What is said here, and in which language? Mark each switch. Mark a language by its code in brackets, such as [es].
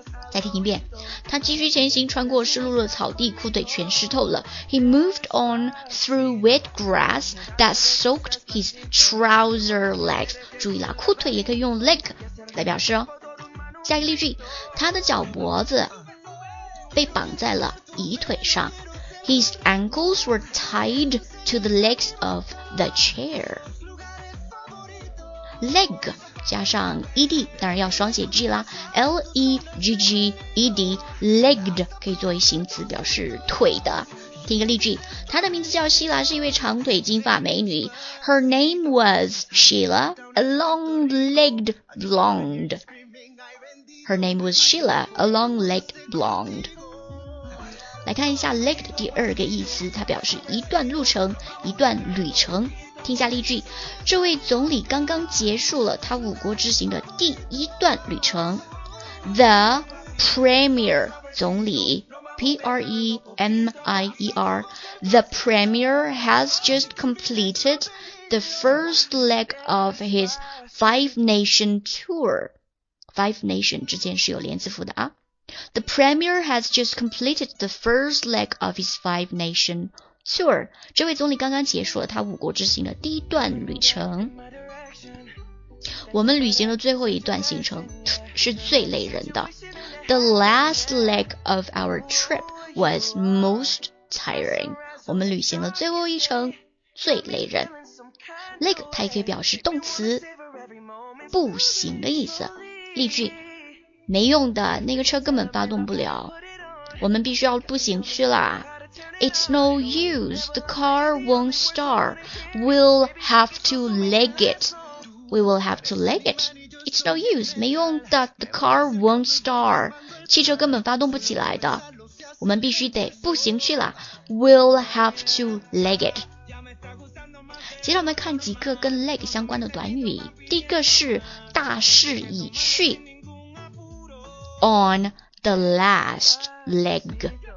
[zh] 再听一遍，他继续前行，穿过湿漉漉的草地，裤腿全湿透了。 [en] He moved on through wet grass that soaked his trouser legs. [zh] 注意啦，裤腿也可以用 leg 来表示哦。下一个例句，他的脚脖子被绑在了椅腿上。 [en] His ankles were tied to the legs of the chair. [zh] Leg. 加上 ed, 当然要双写 g 啦， L-E-G-G-E-D, legged, 可以作为形词表示腿的。听一个例句，她的名字叫希拉，是一位长腿金发美女。 [en] Her name was Sheila, a long-legged blonde. Her name was Sheila, a long-legged blonde. [zh] 来看一下 legged 第二个意思，它表示一段路程，一段旅程。听下例句，这位总理刚刚结束了他五国之行的第一段旅程。 [en] The Premier, 总理 P-R-E-M-I-E-R, The Premier has just completed the first leg of his Five Nation Tour. [zh] Five Nation 之间是有连字符的啊。 [en] The Premier has just completed the first leg of his Five Nation Tour, [zh] 这位总理刚刚结束了他五国之行的第一段旅程。我们旅行的最后一段行程是最累人的。 [en] The last leg of our trip was most tiring. [zh] 我们旅行的最后一程最累人。Leg 它也可以表示动词，步行的意思。例句，没用的，那个车根本发动不了，我们必须要步行去啦。 [en] It's no use, the car won't start. We'll have to leg it. We will have to leg it. It's no use, [zh] 没用的， [en] the car won't start. [zh] 汽车根本发动不起来的，我们必须得步行去了。 [en] We'll have to leg it. [zh] 接下来我们看几个跟 leg 相关的短语。第一个是大势已去， [en] On the last leg.